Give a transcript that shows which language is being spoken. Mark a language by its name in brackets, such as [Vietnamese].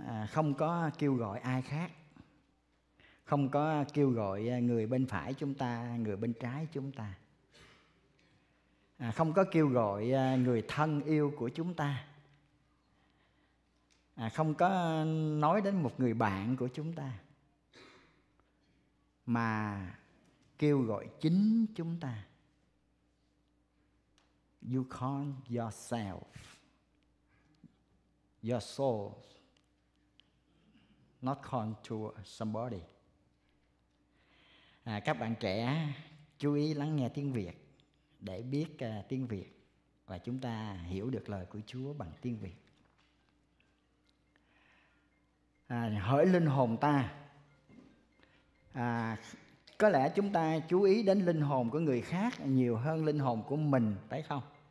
[Vietnamese] Không có kêu gọi ai khác, không có kêu gọi người bên phải chúng ta, người bên trái chúng ta, không có kêu gọi người thân yêu của chúng ta, không có nói đến một người bạn của chúng ta, mà kêu gọi chính chúng ta. [English] You call yourself, your soul, not call to somebody. [Vietnamese] Các bạn trẻ chú ý lắng nghe tiếng Việt để biết tiếng Việt và chúng ta hiểu được lời của Chúa bằng tiếng Việt. Hỡi linh hồn ta, có lẽ chúng ta chú ý đến linh hồn của người khác nhiều hơn linh hồn của mình, phải không?